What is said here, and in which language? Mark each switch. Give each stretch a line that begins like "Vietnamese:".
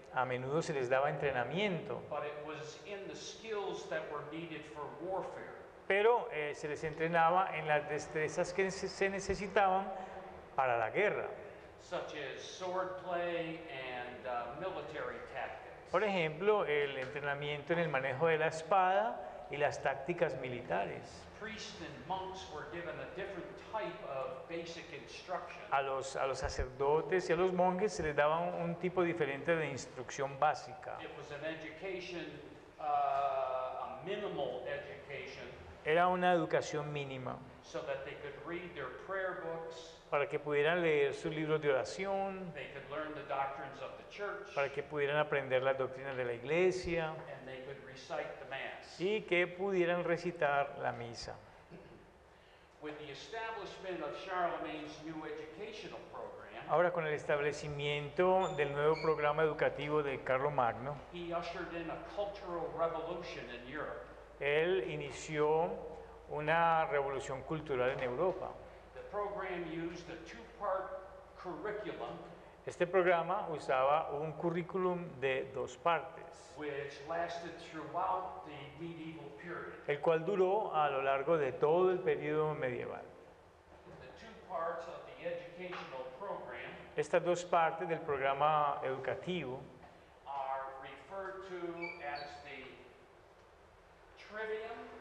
Spanish: a menudo se les daba entrenamiento,
English: but it was in the skills that were needed for warfare.
Spanish: Pero se les entrenaba en las destrezas que se necesitaban para la guerra.
English: Such as swordplay and military tactics.
Spanish: Por ejemplo, el entrenamiento en el manejo de la espada y las tácticas militares.
English: Priests and monks were given a different type of basic instruction.
Spanish: A los sacerdotes y a los monjes se les daba un tipo diferente de instrucción básica.
English: It was an education, a minimal education.
Spanish: Era una educación mínima.
English: So that they could read their prayer books.
Spanish: Para que pudieran leer sus libros de oración,
English: they could learn the doctrines of the church,
Spanish: para que pudieran aprender las doctrinas de la iglesia,
English: and they could recite the mass.
Spanish: Y que pudieran recitar la misa.
English: With the establishment of Charlemagne's new educational program,
Spanish: ahora con el establecimiento del nuevo programa educativo de Carlomagno,
English: he ushered in a cultural revolution in Europe.
Spanish: Él inició una revolución cultural en Europa.
English: Program used a two-part curriculum.
Spanish: Este programa usaba un currículum de dos partes,
English: which lasted throughout the medieval period.
Spanish: El cual duró a lo largo de todo el periodo medieval.
English: The two parts of the educational program,
Spanish: estas dos partes del programa educativo,
English: are referred to as the trivium.